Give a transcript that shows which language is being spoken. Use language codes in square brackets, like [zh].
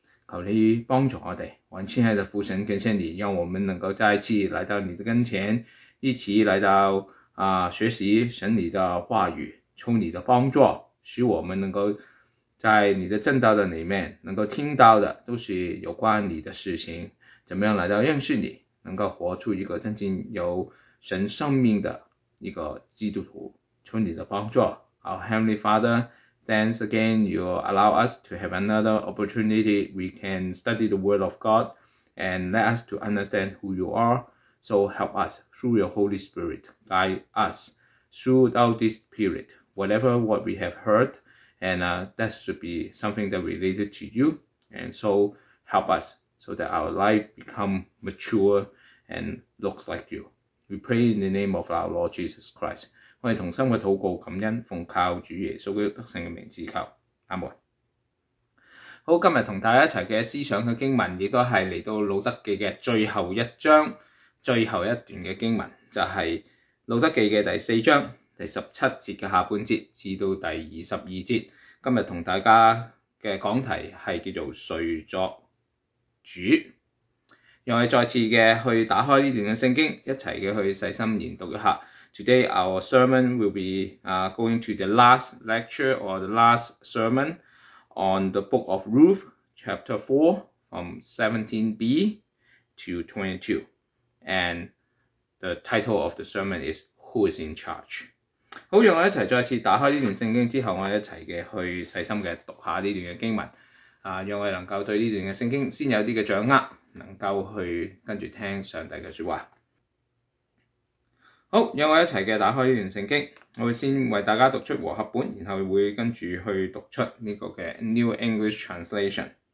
[zh] 求你帮助我们，万亲爱的父神跟圣灵，让我们能够再次来到你的跟前，一起来到学习神你的话语，求你的帮助，使我们能够在你的正道的里面，能够听到的都是有关你的事情，怎么样来到认识你，能够活出一个真正有神生命的一个基督徒，求你的帮助。 [en] Our Heavenly Father, thanks again you allow us to have another opportunity we can study the Word of God and let us to understand who you are. So help us through your Holy Spirit, guide us throughout this period, whatever what we have heard. And that should be something that related to you. And so help us so that our life become mature and looks like you. We pray in the name of our Lord Jesus Christ. [zh] 我们同心的祷告感恩，奉靠主耶稣基督得胜的名字求，阿们。好，今天同大家一起的思想的经文，也都是来到路德记的最后一章，最后一段的经文，就是路德记的第四章第十七节的下半节至到第二十二节。今天和大家的讲题是叫做谁作主，让我们再次的去打开这段的圣经，一起去细心研读一下。 [en] Today our sermon will be going to the last lecture or the last sermon on the book of Ruth chapter 4 from 17b to 22, and the title of the sermon is Who is in Charge? [zh] 好，让我一起再次打开这段圣经之后，我一起的去细心的读下这段的经文，让我能够对这段的圣经先有一些掌握，能够去跟着听上帝的说话。好，让我一起的打开这段圣经，我会先为大家读出和合本，然后会跟着去读出这个的 New English Translation。